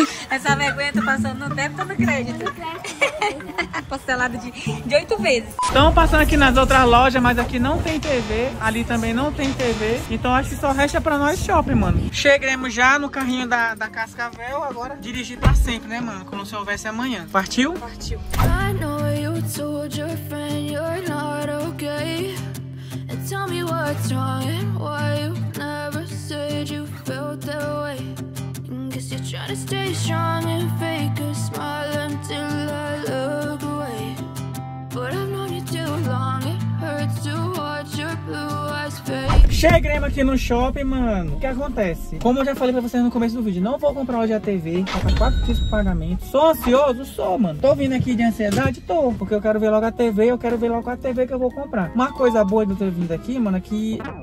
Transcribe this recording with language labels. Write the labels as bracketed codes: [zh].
[pt] Essa vergonha tá passando no débito ou no crédito? Parcelado de 8 vezes. Estamos passando aqui nas outras lojas, mas aqui não tem TV. Ali também não tem TV. Então acho que só resta pra nós shopping, mano. Chegamos já no carrinho da Cascavel. Agora dirigir pra sempre, né, mano? Como se houvesse amanhã. Partiu? Partiu. [en] Told your friend you're not okay. And tell me what's wrong and why you never said you felt that way. And guess you're trying to stay strong and fake a smile until I look away. But I've known you too long, it hurts to watch your blue eyes fade. [pt] Chegamos aqui no shopping, mano. O que acontece? Como eu já falei pra vocês no começo do vídeo, não vou comprar hoje a TV. Falta 4 dias pro pagamento. Sou ansioso? Sou, mano. Tô vindo aqui de ansiedade? Tô. Porque eu quero ver logo a TV. Eu quero ver logo a TV que eu vou comprar. Uma coisa boa de eu ter vindo aqui, mano, é que...